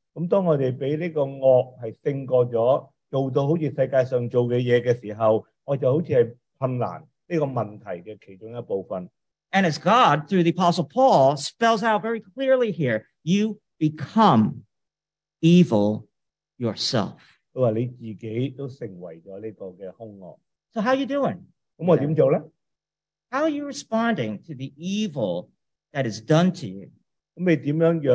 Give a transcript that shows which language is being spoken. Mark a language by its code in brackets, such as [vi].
[yue] 咁当我哋俾呢个恶系胜过咗，做到好似世界上做嘅嘢嘅时候，我就好似系困难呢个问题嘅其中一部分。 [en] And as God, through the Apostle Paul, spells out very clearly here, you become evil yourself. [yue] 佢话你自己都成为咗呢个嘅凶恶。 [en] So how are you doing? [yue] 咁我点做咧？ [en] How are you responding to the evil that is done to you?